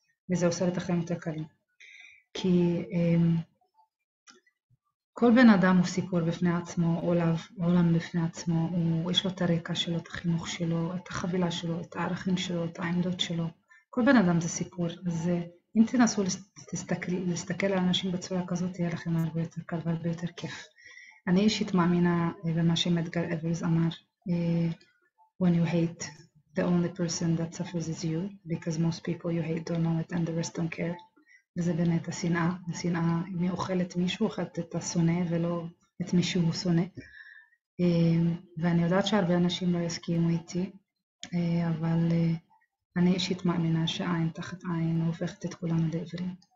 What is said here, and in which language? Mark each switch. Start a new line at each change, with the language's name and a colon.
Hebrew: וזה עושה את החיים יותר קלים. כי כל בן אדם הוא סיפור בפני עצמו, עולם בפני עצמו, יש לו את הרקע שלו, את החינוך שלו, את החבילה שלו, את הערכים שלו, את העמדות שלו. כל בן אדם זה סיפור, אז אם תנסו להסתכל על אנשים בצורה כזאת, יהיה לכם הרבה יותר קל והרבה יותר כיף. אני אישית מאמינה במה שמדגר אברז אמר,
English: when you hate, the only person that suffers is you, because most people you hate don't know it and the rest don't care.
Hebrew: וזה באמת השנאה, השנאה, אם היא אוכלת מישהו, אוכלת את השונא ולא את מישהו שונא. ואני יודעת שהרבה אנשים לא יסכימו איתי, אבל אני אישית מאמינה שעין תחת עין הופכת את כולנו לעברים.